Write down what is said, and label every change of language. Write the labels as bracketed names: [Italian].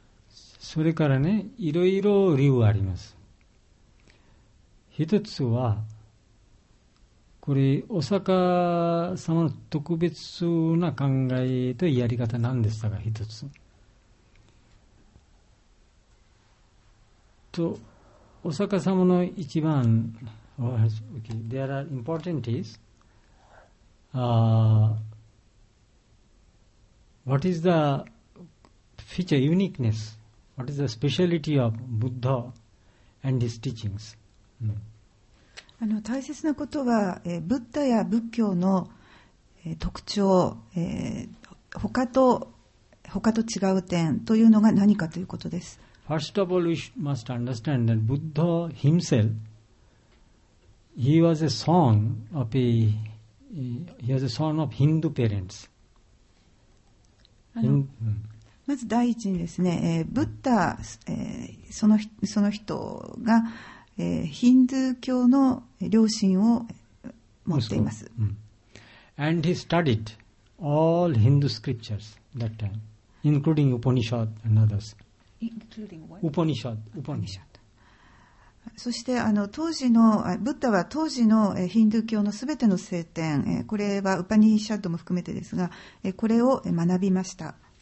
[Japanese] それからね、いろいろ理由あります。一つはこれ、お釈迦様の特別な考えとやり方なんですが、一つお釈迦様の一番、 [English] okay, there are important is、what is the feature, uniqueness, what is the speciality of Buddha and his teachings?、Mm. [Japanese] 大切なことは、ブッダや仏教の、特徴、他と違う点というのが何かということです。 [English] First of all, we must understand that Buddha himself, he was a son of a, he was a son of Hindu parents. [Japanese] まず第一にですね、ブッダ、その人が、ヒンドゥー教の両親を持っています。 [English] And he studied all Hindu scriptures that time, including Upanishad and others. Upanishad. [Japanese] そして当時のブッダは当時のヒンドゥー教のすべての聖典、これはウパニシャッドも含めてですが、これを学びました。